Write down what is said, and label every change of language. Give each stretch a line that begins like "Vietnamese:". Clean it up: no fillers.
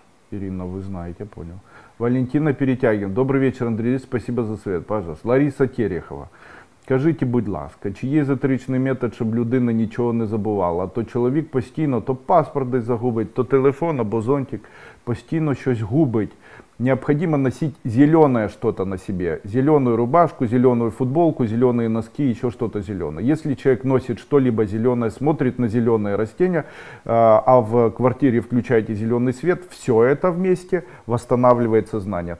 Russian: Ирина, вы знаете, понял. Валентина Перетягин. Добрый вечер, Андрей. Спасибо за совет, пожалуйста. Лариса Терехова.
Ukrainian: Скажите, будь ласка, чи є езотеричний метод, щоб людина нічого не забувала? А то чоловік постійно то паспорт десь загубить, то телефон або зонтик постійно щось губить.
Russian: Необходимо носить зеленое что-то на себе. Зеленую рубашку, зеленую футболку, зеленые носки, еще что-то зеленое. Если человек носит что-либо зеленое, смотрит на зеленое растение, а в квартире включаете зеленый свет, все это вместе восстанавливает сознание.